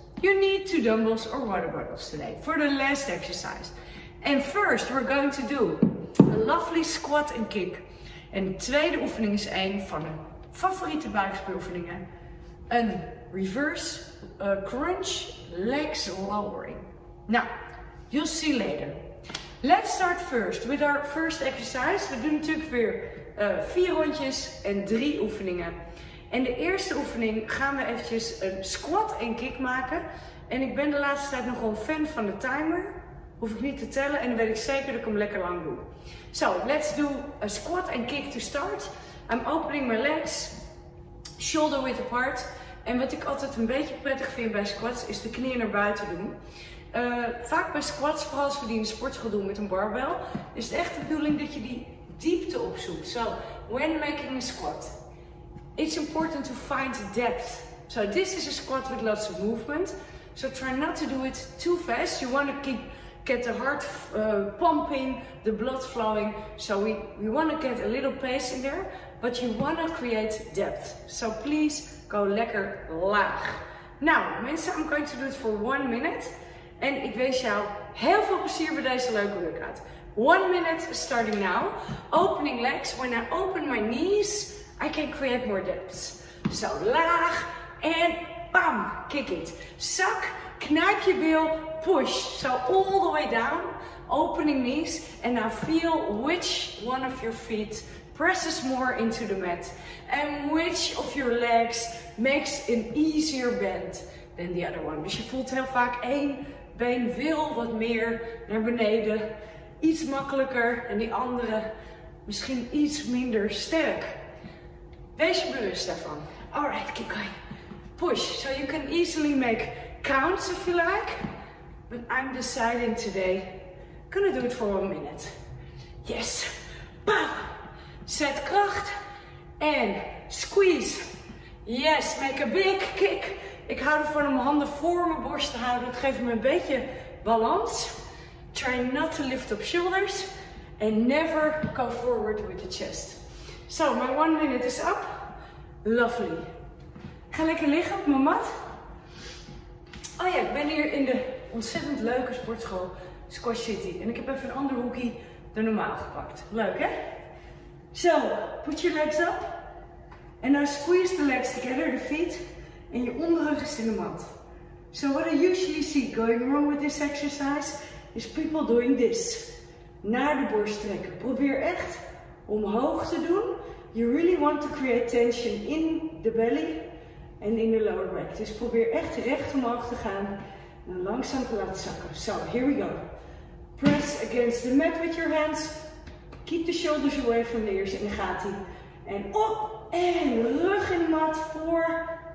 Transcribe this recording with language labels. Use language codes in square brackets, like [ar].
[en] You need 2 dumbbells or water bottles today for the last exercise. And first we're going to do a lovely squat and kick. [nl] En de tweede oefening is een van de favoriete buikspieroefeningen. Een reverse crunch legs lowering. [en] Nou, you'll see later. Let's start first with our first exercise. [nl] We doen natuurlijk weer 4 rondjes en 3 oefeningen. En de eerste oefening gaan we eventjes een squat en kick maken. En ik ben de laatste tijd nogal een fan van de timer. Hoef ik niet te tellen en dan weet ik zeker dat ik hem lekker lang doe. [en] So, let's do a squat and kick to start. I'm opening my legs, shoulder width apart. [nl] En wat ik altijd een beetje prettig vind bij squats is de knieën naar buiten doen. Vaak bij squats, vooral als we die in de sportschool doen met een barbel, is het echt de bedoeling dat je die diepte opzoekt. [en] So, when making a squat, it's important to find depth. So, this is a squat with lots of movement. So, try not to do it too fast. You want to get the heart pumping, the blood flowing. So, we want to get a little pace in there, but you want to create depth. So, please go [nl] lekker laag. [en] Now, mensen, I'm going to do it for 1 minute. [nl] En ik wens jou heel veel plezier bij deze leuke workout. [en] 1 minute starting now. Opening legs. When I open my knees, I can create more depth. [nl] Zo, laag. En bam, [en] kick it. [nl] Zak, knijp je bil, push. [en] Zo, all the way down. Opening knees. And now feel which one of your feet presses more into the mat. And which of your legs makes an easier bend than the other one. [nl] Dus je voelt heel vaak één been veel wat meer naar beneden, iets makkelijker en die andere misschien iets minder sterk. Wees je bewust daarvan. [en] Alright, keep going. Push. So you can easily make counts if you like. But I'm deciding today, gonna do it for 1 minute. Yes. Bam. [nl] Zet kracht. [en] En squeeze. Yes, make a big kick. [nl] Ik hou ervan om mijn handen voor mijn borst te houden. Dat geeft me een beetje balans. [en] Try not to lift up shoulders. And never go forward with the chest. So, my 1 minute is up. Lovely. [nl] Ga lekker liggen op mijn mat. Oh ja, ik ben hier in de ontzettend leuke sportschool Squash City. En ik heb even een ander hoekie dan normaal gepakt. Leuk, hè? [en] So, put your legs up. And now squeeze the legs together, the feet. [nl] En je onderrug is in de mat. [en] So what I usually see going wrong with this exercise is people doing this. [nl] Naar de borst trekken. Probeer echt omhoog te doen. [en] You really want to create tension in the belly and in the lower back. [nl] Dus probeer echt recht omhoog te gaan en langzaam te laten zakken. [en] So, here we go. Press against the mat with your hands. Keep the shoulders away from the ears. [nl] En dan gaat hij. En op en rug in de mat voor.